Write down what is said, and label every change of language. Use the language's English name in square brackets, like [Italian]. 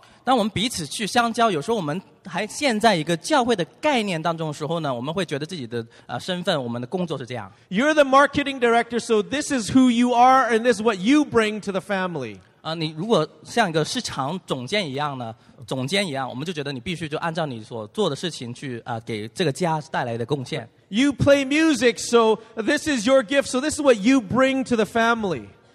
[Chinese] 当我们彼此去相交，有时候我们还陷在一个教会的概念当中的时候呢，我们会觉得自己的身份，我们的工作是这样。 [English] You're the marketing director, so this is who you are, and this is what you bring to the family. [Chinese] 你如果像一个市场总监一样呢，总监一样，我们就觉得你必须就按照你所做的事情去给这个家带来的贡献。 [English] You play music, so this is your gift, so this is what you bring to the family.